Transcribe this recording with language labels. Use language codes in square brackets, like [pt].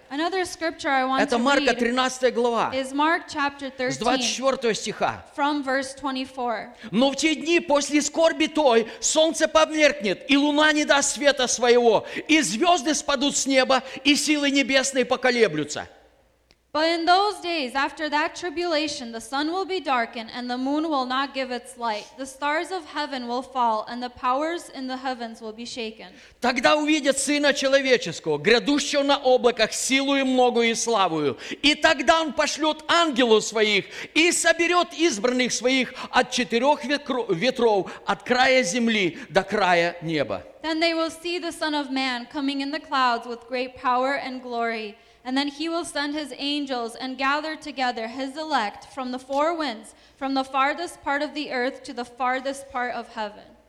[ru] Это Марка 13 глава. [en] Is Mark chapter 13, [ru] с 24 стиха. [en] From verse 24. [ru] Но в те дни после скорби той солнце померкнет, и луна не даст света своего, и звезды спадут с неба, и силы небесные поколеблются. [en] But in those days, after that tribulation, the sun will be darkened, and the moon will not give its light. The stars of heaven will fall, and the powers in the heavens will be shaken. [ru] Тогда увидят Сына Человеческого, грядущего на облаках, силою многою и славою. И тогда Он пошлет ангелов Своих, и соберет избранных Своих от четырех ветров, от края земли до края неба. [en] Then they will see the Son of Man coming in the clouds with great power and glory. And then he will send his angels and gather together his elect from the four winds, from the farthest part of the earth to the farthest part of heaven.